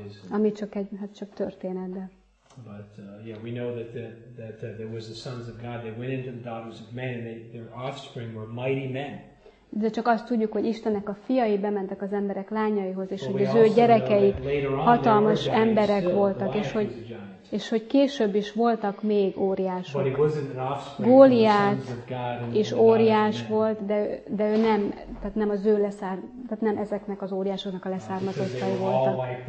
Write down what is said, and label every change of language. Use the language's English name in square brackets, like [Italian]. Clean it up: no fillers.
[Hungarian] Ami csak egy, hát csak történet, de. [English] But yeah, we know that there was the sons of God. They went into the daughters of men, and their offspring were mighty men. [Hungarian] De csak azt tudjuk, hogy Istennek a fiai bementek az emberek lányaihoz, és hogy az ő gyerekeik hatalmas emberek voltak, és hogy később is voltak még óriások. Góliát is óriás volt, de ő nem, tehát nem az ő leszármazottai, tehát nem ezeknek az óriásoknak a leszármazottai voltak.